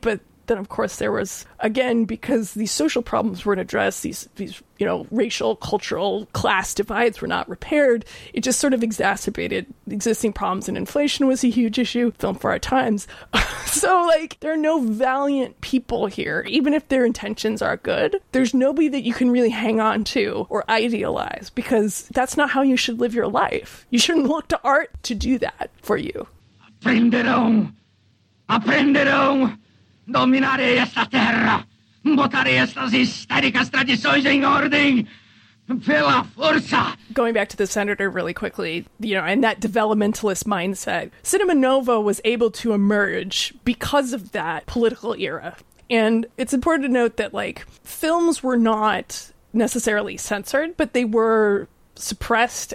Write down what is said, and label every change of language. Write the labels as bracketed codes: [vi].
[en] But then, of course, there was, again, because these social problems weren't addressed, these you know, racial, cultural, class divides were not repaired, it just sort of exacerbated existing problems, and inflation was a huge issue, film for our times. So, like, there are no valiant people here, even if their intentions are good. There's nobody that you can really hang on to or idealize, because that's not how you should live your life. You shouldn't look to art to do that for you. [pt] Aprenderão! Dominarei esta terra, botarei estas histéricas tradições em ordem pela força. [en] Going back to the senator really quickly, you know, and that developmentalist mindset, Cinema Nova was able to emerge because of that political era. And it's important to note that, like, films were not necessarily censored, but they were suppressed.